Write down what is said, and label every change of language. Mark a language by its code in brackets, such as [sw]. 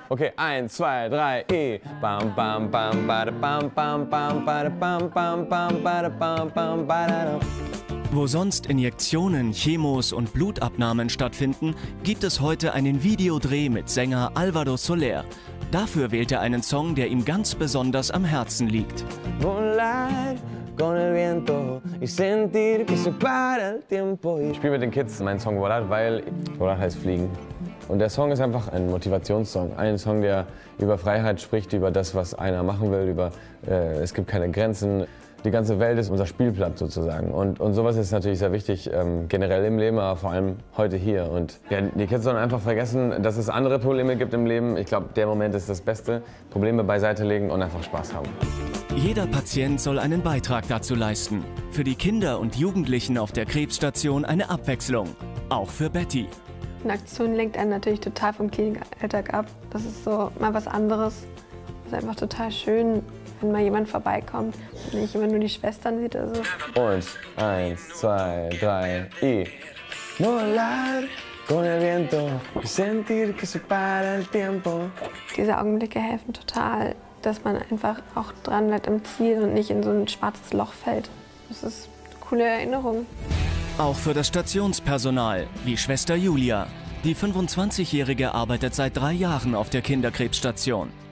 [de] Okay, 1, 2, 3, e. Bam, bam, bam, bada, bam, bam, bam, bada, bam, bam, bam, bada, bam, bam, bada, bam. Wo sonst Injektionen, Chemos und Blutabnahmen stattfinden, gibt es heute einen Videodreh mit Sänger Álvaro Soler. Dafür wählt er einen Song, der ihm ganz besonders am Herzen liegt. [es] Volar con el viento y sentir que se para el tiempo. [de] Ich spiele mit den Kids meinen Song Volar, weil Volar heißt fliegen. Und der Song ist einfach ein Motivationssong. Ein Song, der über Freiheit spricht, über das, was einer machen will, über es gibt keine Grenzen. Die ganze Welt ist unser Spielplatz sozusagen und sowas ist natürlich sehr wichtig, generell im Leben, aber vor allem heute hier. Und ja, die Kids sollen einfach vergessen, dass es andere Probleme gibt im Leben. Ich glaube, der Moment ist das Beste. Probleme beiseite legen und einfach Spaß haben. Jeder Patient soll einen Beitrag dazu leisten. Für die Kinder und Jugendlichen auf der Krebsstation eine Abwechslung. Auch für Betty. Eine Aktion lenkt einen natürlich total vom Klinikalltag ab. Das ist so mal was anderes. Das ist einfach total schön, wenn mal jemand vorbeikommt und nicht immer nur die Schwestern sieht. Also. Und 1, 2, 3, y. [es] Volar con el viento, sentir que se para el tiempo. [de] Diese Augenblicke helfen total, dass man einfach auch dran bleibt im Ziel und nicht in so ein schwarzes Loch fällt. Das ist eine coole Erinnerung. Auch für das Stationspersonal, wie Schwester Julia. Die 25-Jährige arbeitet seit 3 Jahren auf der Kinderkrebsstation.